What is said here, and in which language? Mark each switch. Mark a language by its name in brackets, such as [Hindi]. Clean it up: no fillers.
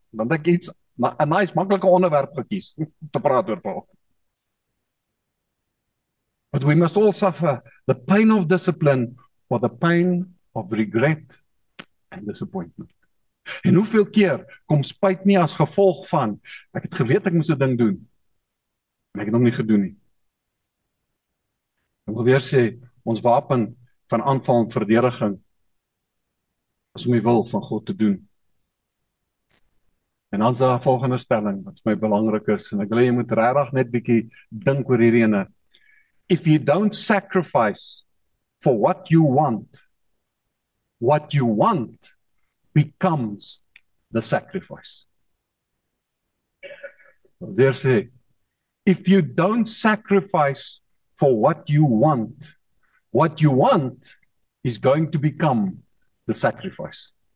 [Afrikaans] Dan het ek iets 'n nice maklike onderwerp gekies om te praat oor Paul. [English] But we must all suffer the pain of discipline or the pain of regret and disappointment. [Afrikaans] En hoeveel keer kom spyt nie as gevolg van ek het geweet ek moes 'n ding doen en ek het hom nie gedoen nie. Ek wil weer sê, ons wapen van aanval en verdediging is om die wil van God te doen. En dan is daar volgende stelling wat vir my belangrik is en ek wil jy moet regtig net bietjie dink oor hierdie ene. [English] If you don't sacrifice for what you want becomes the sacrifice. They say, if you don't sacrifice for what you want is going to become the sacrifice.